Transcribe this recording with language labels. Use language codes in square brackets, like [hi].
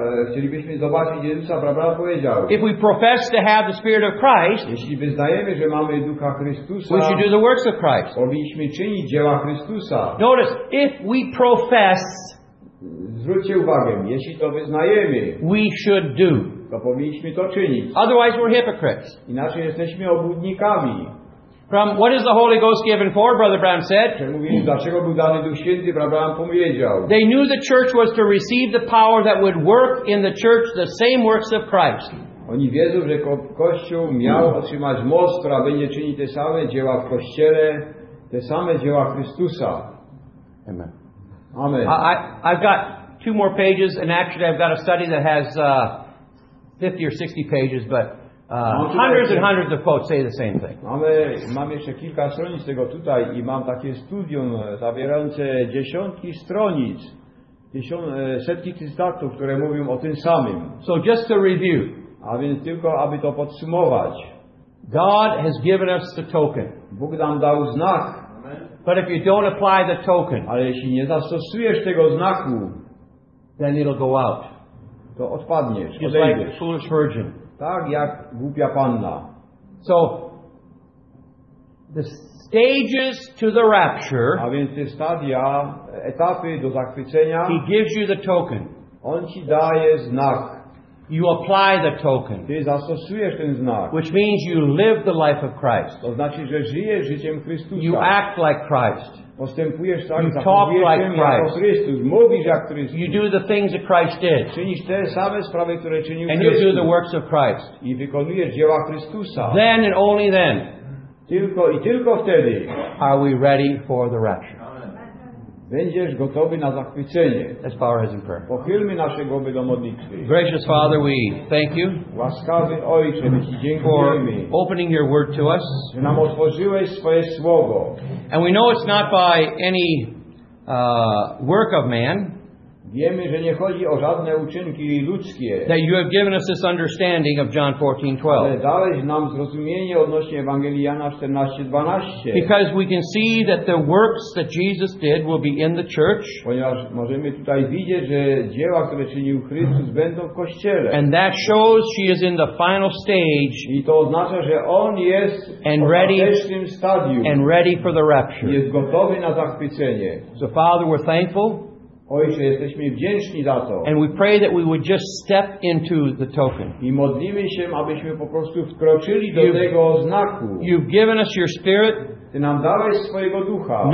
[pl] chcielibyśmy zobaczyć Jezusa, Brabra powiedział. [en] If we profess to have the Spirit of Christ, [pl] jeśli wyznajemy, że mamy Ducha Chrystusa, [en] we should do the works of Christ. [pl] Powinniśmy czynić dzieła Chrystusa. [en] Notice, if we profess, [pl] zwróćcie uwagę, jeśli to wyznajemy, [en] we should do. [pl] To powinniśmy to czynić. [en] Otherwise we're hypocrites. [pl] Inaczej jesteśmy obłudnikami. [en] From what is the Holy Ghost given for, Brother Branham said? [pl] Dlaczego był dany Duch Święty, Brother Branham powiedział. [en] They knew the church was to receive the power that would work in the church the same works of Christ. [pl] Oni wiedzą, że Kościół miał otrzymać moc, która będzie czynić te same dzieła w Kościele, te same dzieła Chrystusa. [en] Amen. Amen. I've got two more pages, and actually I've got a study that has 50 or 60 pages, but hundreds and hundreds of quotes say the same thing. [pl] Mam jeszcze kilka stronic tego tutaj i mam takie studium zawierające dziesiątki stronic, setki cytatów, które mówią o tym samym. [en] So just to review. [pl] A więc tylko, aby to podsumować. [en] God has given us the token. [pl] Bóg nam dał znak. [en] But if you don't apply the token, [pl] ale jeśli nie zastosujesz tego znaku, [en] then it'll go out. [pl] To odpadniesz, odejdziesz. [en] Just like a foolish virgin. [pl] Tak jak głupia panna. [en] So the stages to the rapture. [pl] A więc te stadia, etapy do zachwycenia. [en] He gives you the token. [pl] On ci daje znak. [en] You apply the token. [pl] Ty zastosujesz ten znak. [en] Which means you live the life of Christ. [pl] To znaczy, że żyjesz życiem Chrystusa. [en] You act like Christ. [pl] Postępujesz tak, [en] you talk like Christ. [pl] Mówisz jak Chrystus. [en] You do the things that Christ did. [pl] Czynisz te same sprawy, które czynił Chrystus. [en] And you do the works of Christ. [pl] I wykonujesz dzieła Chrystusa. [en] Then and only then. [pl] Tylko i tylko wtedy. [en] Are we ready for the rapture? [pl] Będziesz gotowy na zachwycenie. [en] Let's bow our heads in prayer. [pl] Pochylmy nasze głowy do modlitwy. [en] Gracious Father, we thank you. [pl] Łaskawy Ojcze, my Ci dziękujemy. [en] For opening your word to us. [pl] Że nam otworzyłeś swoje słowo. [en] And we know it's not by any work of man. [pl] Wiemy, że nie chodzi o żadne uczynki ludzkie. [en] That you have given us this understanding of John 14:12. [pl] Ale dałeś nam zrozumienie odnośnie Ewangelii Jana 14:12. [en] Because we can see that the works that Jesus did will be in the church. [pl] Ponieważ możemy tutaj widzieć, że dzieła, które czynił Chrystus, będą w Kościele. [en] And that shows she is in the final stage. [pl] I to oznacza, że on jest and w ostatecznym stadium. [en] And ready for the rapture. [pl] Jest gotowy na zachwycenie. [en] So Father, we're thankful. [pl] Ojcze, jesteśmy wdzięczni za to. [en] And we pray that we would just step into the token. [pl] I modlimy się, abyśmy po prostu wkroczyli do tego znaku. [en] You've given us your Spirit. [pl] Ty nam dałeś swojego ducha.